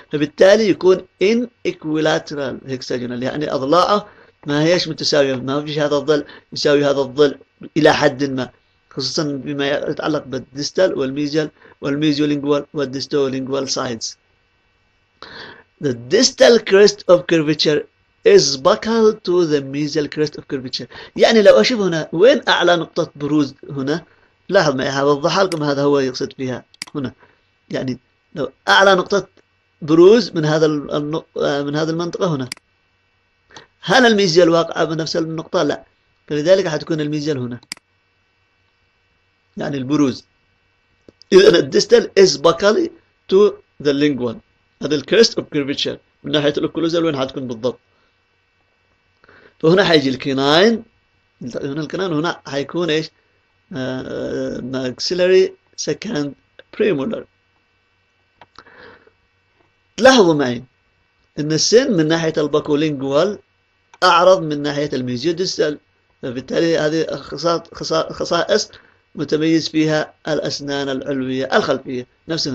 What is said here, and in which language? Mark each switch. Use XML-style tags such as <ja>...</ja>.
<ar>فبالتالي يكون ان اكويلاترال هيكساجونال، يعني اضلاعه ما هيش متساويه، ما فيش هذا الضلع يساوي هذا الضلع الى حد ما، خصوصا بما يتعلق بالديستال والميزيال والميزيولينجوال والديستولينجوال سايدز.</ar> <en>The distal crest of curvature is buckled to the mesial crest of curvature.</en> <ar>يعني لو اشوف هنا وين اعلى نقطة بروز هنا؟ لاحظ معي هوضح لكم، هذا هو يقصد فيها هنا. يعني لو اعلى نقطة بروز من هذا المنطقة هنا. هل الميزيال واقعة بنفس النقطة؟ لا. فلذلك حتكون الميزيال هنا. يعني البروز.</ar> <en>إذا الديستال is buckled to the lingual. هذا ال crest of curvature.</en> <ar>من ناحية الأوكلوزال وين حتكون بالضبط؟ فهنا حيجي الكيناين، هنا الكيناين هنا حيكون ايش؟ ماكسيلري سكند بريمولر. لاحظوا معي ان السن من ناحيه الباكولينجوال اعرض من ناحيه الميزيو ديستال، فبالتالي هذه خصائص متميز فيها الاسنان العلويه الخلفيه نفسه.</ar>